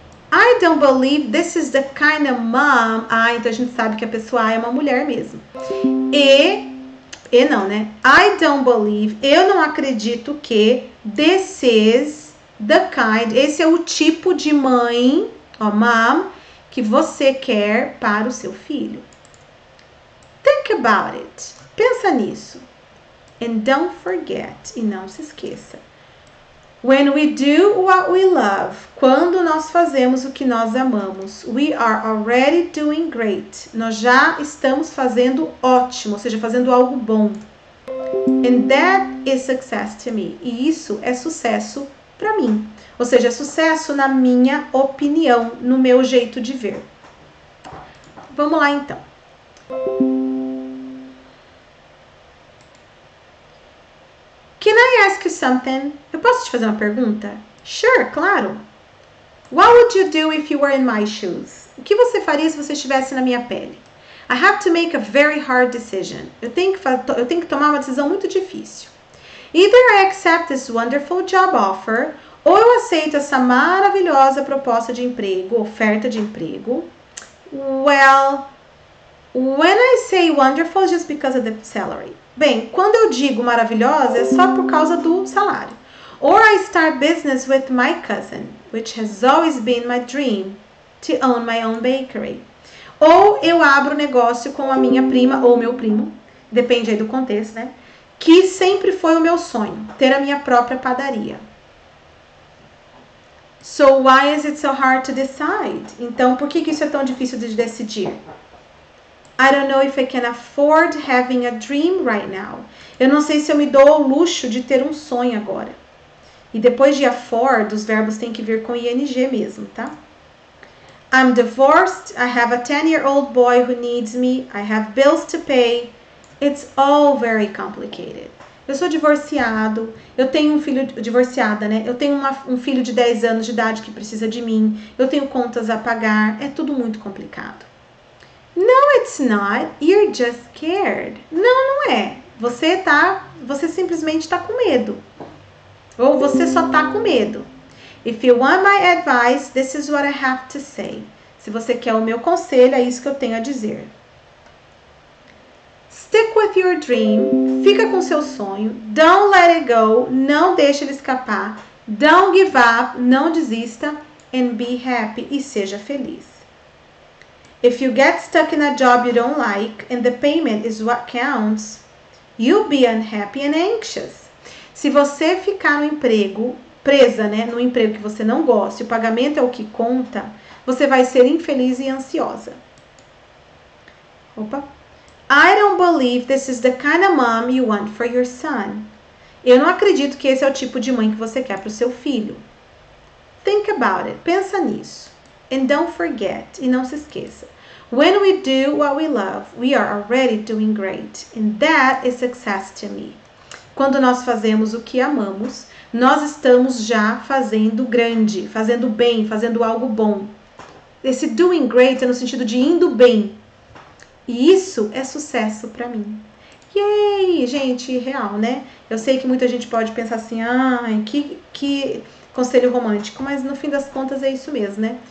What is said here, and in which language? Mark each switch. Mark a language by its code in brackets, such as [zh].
[en] I don't believe this is the kind of mom. [pt] Ah, então a gente sabe que a pessoa A é uma mulher mesmo. E não, né? [en] I don't believe, [pt] eu não acredito que [en] this is the kind, [pt] esse é o tipo de mãe, ó, mom, que você quer para o seu filho. [en] Think about it. [pt] Pensa nisso. [en] And don't forget. [pt] E não se esqueça. [en] When we do what we love. [pt] Quando nós fazemos o que nós amamos. [en] We are already doing great. [pt] Nós já estamos fazendo ótimo. Ou seja, fazendo algo bom. [en] And that is success to me. [pt] E isso é sucesso para mim. Ou seja, sucesso na minha opinião, no meu jeito de ver. Vamos lá então. [en] Can I ask you something? [pt] Eu posso te fazer uma pergunta? [en] Sure, [pt] claro. [en] What would you do if you were in my shoes? [pt] O que você faria se você estivesse na minha pele? [en] I have to make a very hard decision. [pt] Eu tenho que tomar uma decisão muito difícil. [en] Either I accept this wonderful job offer. [pt] Ou eu aceito essa maravilhosa proposta de emprego, oferta de emprego. [en] Well, when I say wonderful, just because of the salary. [pt] Bem, quando eu digo maravilhosa, é só por causa do salário. [en] Or I start business with my cousin, which has always been my dream to own my own bakery. [pt] Ou eu abro negócio com a minha prima ou meu primo, depende aí do contexto, né? Que sempre foi o meu sonho, ter a minha própria padaria. [en] So why is it so hard to decide? [pt] Então, por que que isso é tão difícil de decidir? [en] I don't know if I can afford having a dream right now. [pt] Eu não sei se eu me dou o luxo de ter um sonho agora. E depois de afford, os verbos têm que vir com ing mesmo, tá? [en] I'm divorced, I have a 10-year-old boy who needs me, I have bills to pay. It's all very complicated. [pt] Eu sou divorciado, eu tenho um filho divorciada, né? Eu tenho um filho de 10 anos de idade que precisa de mim. Eu tenho contas a pagar, é tudo muito complicado. [en] No, it's not. You're just scared. [pt] Não, não é. Você simplesmente tá com medo. Ou você só tá com medo. [en] If you want my advice, this is what I have to say. [pt] Se você quer o meu conselho, é isso que eu tenho a dizer. [en] Stick with your dream. [pt] Fica com seu sonho. [en] Don't let it go. [pt] Não deixe ele escapar. [en] Don't give up. [pt] Não desista. [en] And be happy. [pt] E seja feliz. [en] If you get stuck in a job you don't like and the payment is what counts, you'll be unhappy and anxious. [pt] Se você ficar no emprego, presa, né, no emprego que você não gosta, e o pagamento é o que conta, você vai ser infeliz e ansiosa. Opa. [en] I don't believe this is the kind of mom you want for your son. [pt] Eu não acredito que esse é o tipo de mãe que você quer para o seu filho. [en] Think about it. [pt] Pensa nisso. [en] And don't forget. [pt] E não se esqueça. [en] When we do what we love, we are already doing great. And that is success to me. [pt] Quando nós fazemos o que amamos, nós estamos já fazendo grande, fazendo bem, fazendo algo bom. Esse doing great é no sentido de indo bem. E isso é sucesso para mim. Yay, gente, real, né? Eu sei que muita gente pode pensar assim, ai, que conselho romântico, mas no fim das contas é isso mesmo, né?